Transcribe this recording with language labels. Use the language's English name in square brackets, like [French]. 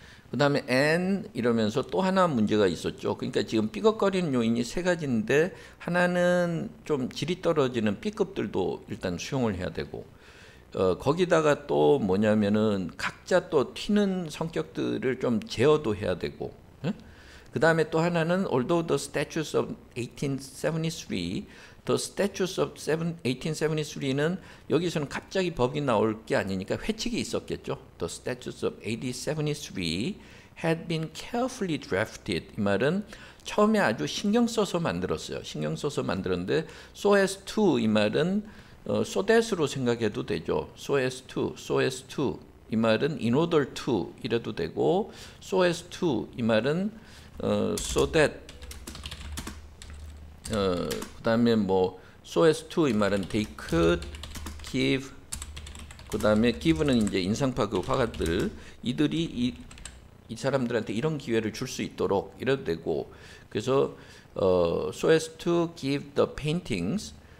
[Korean] 그 다음에 and 이러면서 또 하나 문제가 있었죠. 그러니까 지금 삐걱거리는 요인이 세 가지인데 하나는 좀 질이 떨어지는 B급들도 일단 수용을 해야 되고 거기다가 또 뭐냐면은 각자 또 튀는 성격들을 좀 제어도 해야 되고 그 다음에 또 하나는 [English] although the statutes of 1873 [Korean] 는 여기서는 갑자기 법이 나올 게 아니니까 회칙이 있었겠죠. [English] The statutes of AD 73 had been carefully drafted. [Korean] 이 말은 처음에 아주 신경 써서 만들었어요. 신경 써서 만들었는데 so as to 이 말은 so that으로 생각해도 되죠. So as to 이 말은 in order to 이래도 되고 so as to 이 말은 so that 그 다음에 뭐 so as to 이 말은 [English] they could give [Korean] 그 다음에 give는 이제 인상파 그 화가들 이들이 이 사람들한테 이런 기회를 줄 수 있도록 이래도 되고 그래서 [English] so as to give the paintings